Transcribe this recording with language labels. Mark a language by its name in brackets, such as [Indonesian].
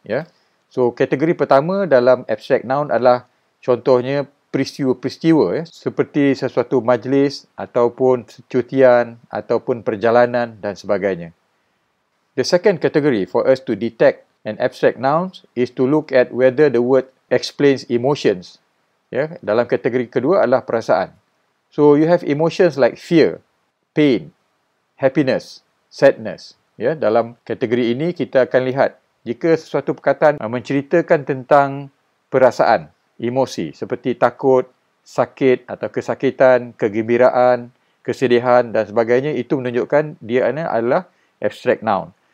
[Malay] Yeah? So, kategori pertama dalam abstract noun adalah contohnya peristiwa-peristiwa seperti sesuatu majlis ataupun cutian ataupun perjalanan dan sebagainya. [English] The second category for us to detect an abstract noun is to look at whether the word explains emotions. [Malay] Yeah, dalam kategori kedua adalah perasaan. [English] So you have emotions like fear, pain, happiness, sadness. [Malay] Yeah, dalam kategori ini kita akan lihat jika sesuatu perkataan menceritakan tentang perasaan. Emosi seperti takut, sakit atau kesakitan, kegembiraan, kesedihan dan sebagainya itu menunjukkan dia adalah abstract noun.